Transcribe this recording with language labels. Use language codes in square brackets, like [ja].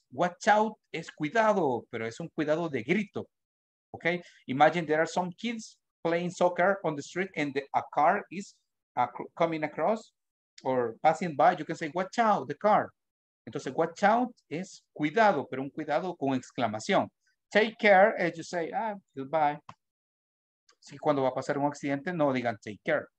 [en] Watch out [es] es cuidado, pero es un cuidado de grito. [en] Okay, imagine there are some kids playing soccer on the street and a car is coming across or passing by. You can say, watch out, the car. [es] Entonces, [en] watch out [es] es cuidado, pero un cuidado con exclamación. [en] Take care, as you say, goodbye. [es] Así que cuando va a pasar un accidente, no digan take care.